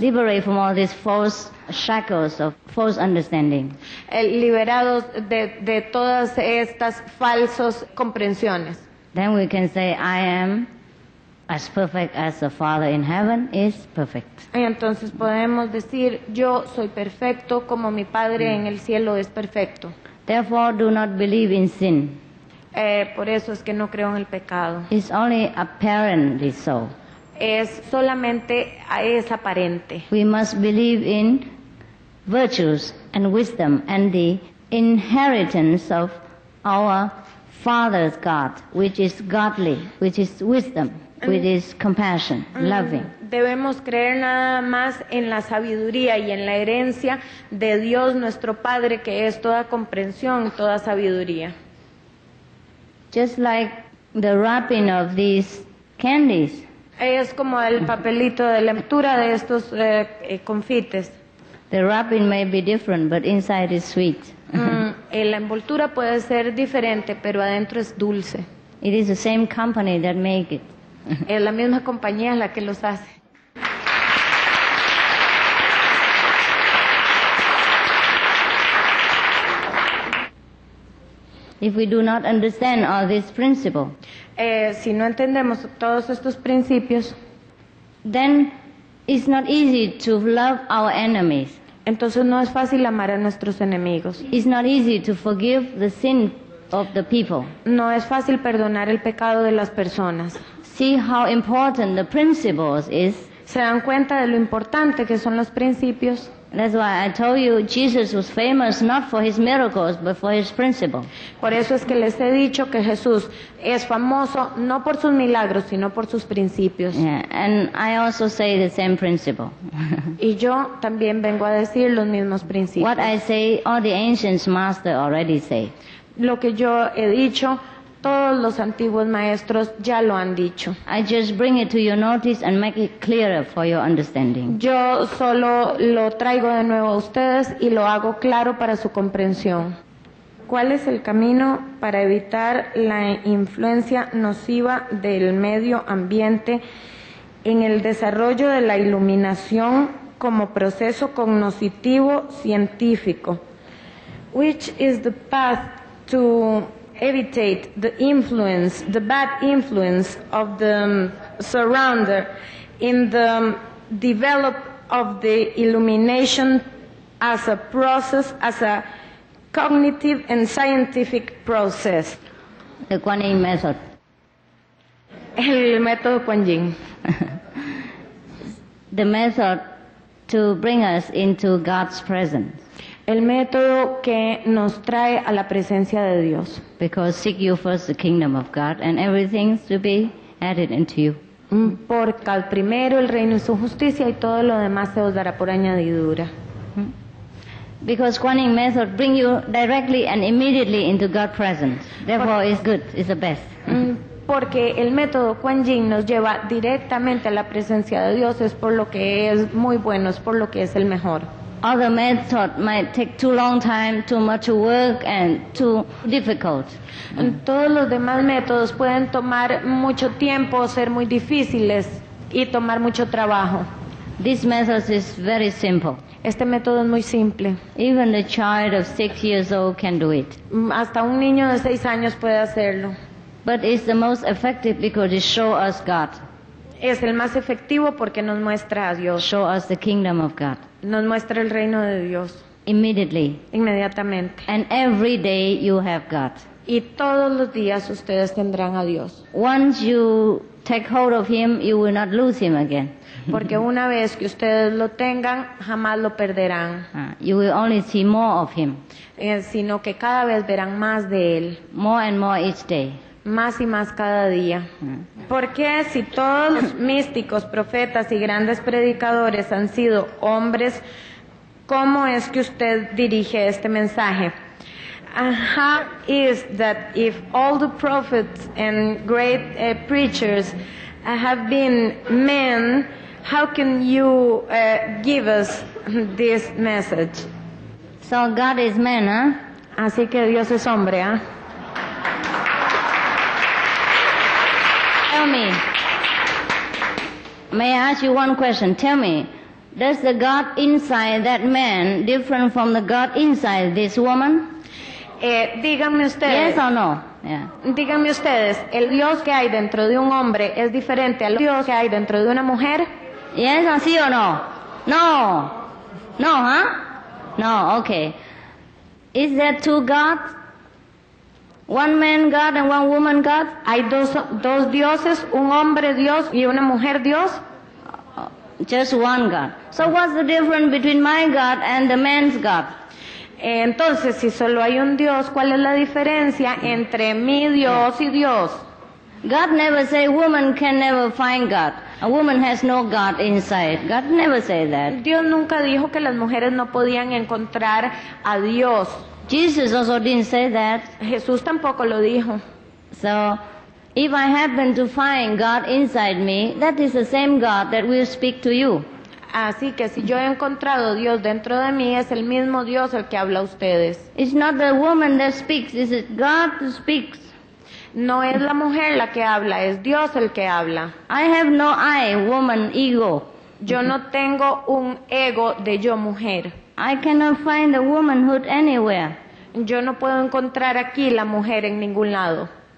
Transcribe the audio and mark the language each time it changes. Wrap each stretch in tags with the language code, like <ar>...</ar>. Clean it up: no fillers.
<en>Liberate from all these false shackles of false understanding.</en> <es>Liberados de todas estas falsas comprensiones.</es> <en>Then we can say, I am as perfect as the Father in heaven is perfect.</en> <es>Y entonces podemos decir, yo soy perfecto como mi Padre en el cielo es perfecto.</es> <en>Therefore, do not believe in sin.</en> <es>Por eso es que no creo en el pecado.</es> <en>It's only apparently so.</en> <es>Es solamente es aparente.</es> <en>We must believe in virtues and wisdom and the inheritance of our Father's God, which is godly, which is wisdom, which is compassion, loving.</en> <es>Debemos creer nada más en la sabiduría y en la herencia de Dios nuestro Padre, que es toda comprensión, toda sabiduría.</es> <en>Just like the wrapping of these candies.</en> <es>Es como el papelito de la envoltura de estos confites.</es> <en>The wrapping may be different, but inside is sweet.</en> <es>La envoltura puede ser diferente, pero adentro es dulce.</es> <en>It is the same company that make it.</en> <es>Es la misma compañía la que los hace.</es> <en>If we do not understand all this principle,</en> <es>si no entendemos todos estos principios,</es> <en>then it's not easy to love our enemies.</en> <es>Entonces no es fácil amar a nuestros enemigos.</es> <en>It's not easy to forgive the sin of the people.</en> <es>No es fácil perdonar el pecado de las personas.</es> <en>See how important the principles is.</en> <es>¿Se dan cuenta de lo importante que son los principios?</es> <en>That's why I told you Jesus was famous not for his miracles but for his principle.</en> <es>Por eso es que les he dicho que Jesús es famoso no por sus milagros sino por sus principios.</es> <en>Yeah, and I also say the same principle.</en> <es>Y yo también vengo a decir los mismos principios.</es> <en>What I say, all the ancient masters already say.</en> <es>Lo que yo he dicho, todos los antiguos maestros ya lo han dicho.</es> <en>I just bring it to your notice and make it clearer for your understanding.</en> <es>Yo solo lo traigo de nuevo a ustedes y lo hago claro para su comprensión. ¿Cuál es el camino para evitar la influencia nociva del medio ambiente en el desarrollo de la iluminación como proceso cognoscitivo científico?</es> <en>Which is the path to evitate the influence, the bad influence of the surrounder in the develop of the illumination as a process, as a cognitive and scientific process? The Kuan Yin method.</en> <es>El método Kuan Yin.</es> <en>The method to bring us into God's presence.</en> <es>El método que nos trae a la presencia de Dios.</es> <en>Because seek you first the kingdom of God and everything to be added into you.</en> <es>Porque al primero el reino y su justicia y todo lo demás se os dará por añadidura.</es> <en>Because Kuan Yin method bring you directly and immediately into God's presence. Therefore it's good, it's the best.</en> <es>Porque el método Kuan Yin nos lleva directamente a la presencia de Dios, es por lo que es muy bueno, es por lo que es el mejor.</es> <en>Other method might take too long time, too much work, and too difficult.</en> <es>Todos los demás métodos pueden tomar mucho tiempo, ser muy difíciles y tomar mucho trabajo.</es> <en>This method is very simple.</en> <es>Este método es muy simple.</es> <en>Even a child of 6 years old can do it.</en> <es>Hasta un niño de 6 años puede hacerlo.</es> <en>But it's the most effective because it shows us God.</en> <es>Es el más efectivo porque nos muestra a Dios.</es> <en>Show us the kingdom of God.</en> <es>Nos muestra el reino de Dios.</es> <en>Immediately.</en> <es>Inmediatamente.</es> <en>And every day you have God.</en> <es>Y todos los días ustedes tendrán a Dios.</es> <en>Once you take hold of him, you will not lose him again.</en> <es>Porque una vez que ustedes lo tengan, jamás lo perderán.</es> <en>You will only see more of him.</en> <es>Sino que cada vez verán más de él.</es> <en>More and more each day.</en> <es>Más y más cada día. Porque si todos los místicos, profetas y grandes predicadores han sido hombres, ¿cómo es que usted dirige este mensaje?</es> <en>How is that if all the prophets and great preachers have been men, how can you give us this message? So God is man, huh?</en> <es>Así que Dios es hombre, ¿eh?</es> <en>May I ask you one question? Tell me, does the God inside that man different from the God inside this woman?</en> <es>Díganme ustedes.</es> <en>Yes or no? Yeah.</en> <es>Díganme ustedes, ¿el Dios que hay dentro de un hombre es diferente al Dios que hay dentro de una mujer?</es> <en>Yes,</en> <es>así o</es> <en>no? No. No, huh? No, okay. Is there two gods? One man God and one woman God?</en> <es>¿Hay dos dioses, un hombre Dios y una mujer Dios?</es> <en>Just one God. So what's the difference between my God and the man's God?</en> <es>Entonces, si solo hay un Dios, ¿cuál es la diferencia entre mi Dios y Dios?</es> <en>God never say woman can never find God. A woman has no God inside. God never say that.</en> <es>Dios nunca dijo que las mujeres no podían encontrar a Dios.</es> <en>Jesus also didn't say that.</en> <es>Jesús tampoco lo dijo.</es> <en>So, if I happen to find God inside me, that is the same God that will speak to you.</en> <es>Así que si yo he encontrado Dios dentro de mí, es el mismo Dios el que habla a ustedes.</es> <en>It's not the woman that speaks, it's God that speaks.</en> <es>No es la mujer la que habla, es Dios el que habla.</es> <en>I have no I, woman, ego.</en> <es>Yo no tengo un ego de yo mujer.</es> <en>I cannot find the womanhood anywhere.</en> <es>Yo no puedo encontrar aquí la mujer en ningún lado.</es>